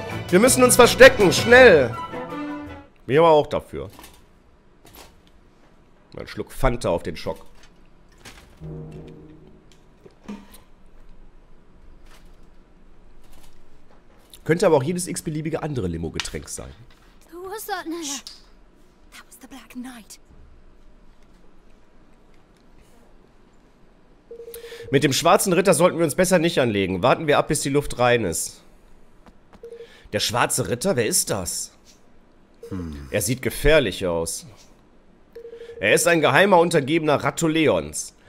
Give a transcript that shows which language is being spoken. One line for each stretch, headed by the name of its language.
German: Wir müssen uns verstecken, schnell! Wir aber auch dafür. Mal einen Schluck Fanta auf den Schock. Könnte aber auch jedes x-beliebige andere Limo-Getränk sein.
English: That was the Black Knight.
German: Mit dem schwarzen Ritter sollten wir uns besser nicht anlegen. Warten wir ab, bis die Luft rein ist. Der schwarze Ritter? Wer ist das? Er sieht gefährlich aus. Er ist ein geheimer Untergebener Ratuleons.